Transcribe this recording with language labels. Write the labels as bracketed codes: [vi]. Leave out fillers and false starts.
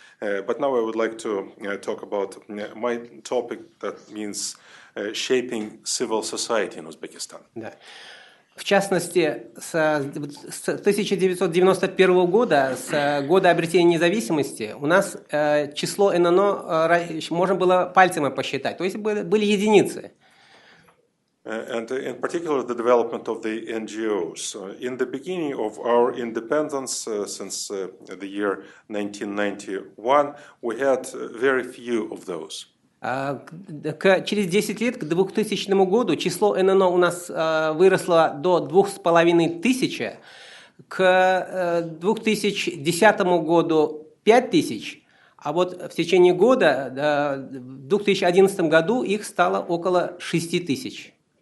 [en] But now I would like to talk about my topic, that means shaping civil society in Uzbekistan. [ru] В частности, с 1991 года, с года обретения независимости, у нас число ННО можно было пальцами посчитать, то есть были единицы. [en] And in particular, the development of the NGOs. In the beginning of our independence, since the year 1991, we had very few of those. [ru] Через 10 лет, к 2000 году, число ННО у нас выросло до 2500, к 2010 году 5000, а вот в течение года, в 2011 году, их стало около 6000.